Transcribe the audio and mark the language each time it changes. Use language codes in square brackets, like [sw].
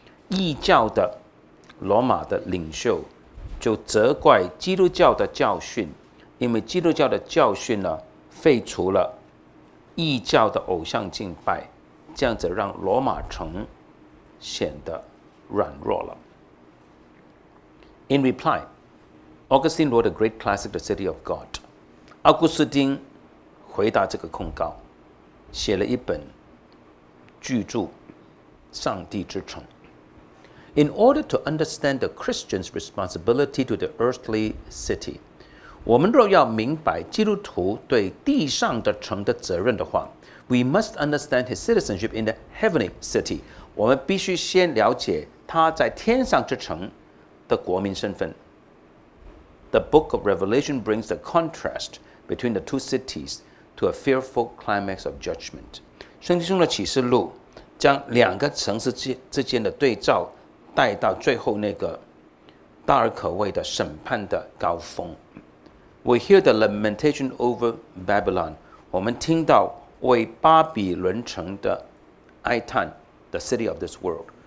[zh] 异教的罗马的领袖就责怪基督教的教训，因为基督教的教训呢，废除了异教的偶像敬拜，这样子让罗马城显得软弱了。 [en] In reply,Augustine wrote a great classic, The City of God. [zh] 奥古斯丁回答这个控告，写了一本居住上帝之城。 [en] In order to understand the Christian's responsibility to the earthly city, [zh] 我们若要明白基督徒对地上的城的责任的话 [en] we must understand his citizenship in the heavenly city. [zh] 我们必须先了解他在天上之城的国民身份。 [en] The book of Revelation brings the contrast between the two cities to a fearful climax of judgment. [zh] 圣经中的启示录将两个城市之间的对照带到最后那个大而可畏的审判的高峰。 [en] We hear the lamentation over Babylon. [zh] 我们听到为巴比伦城的哀叹 [en] the city of this world.